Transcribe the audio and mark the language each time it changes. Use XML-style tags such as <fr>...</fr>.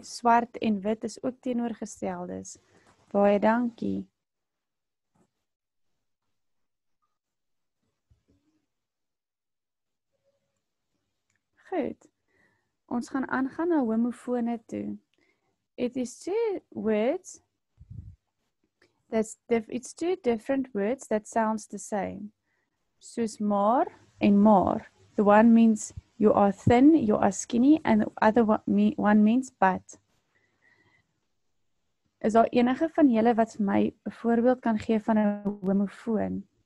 <af>Swart en wit is ook teenoorgesteldes. Baie dankie. Goed. Ons gaan aangaan na homofone toe.</af> <en>It is two words. It's two different words that sounds the same.</en> <af>Soos maar en maar.</af> <en>The one means you are thin, you are skinny, and the other one means but.</en> <af>Is daar enige van julle wat my 'n voorbeeld kan gee van 'n homofoon?</af>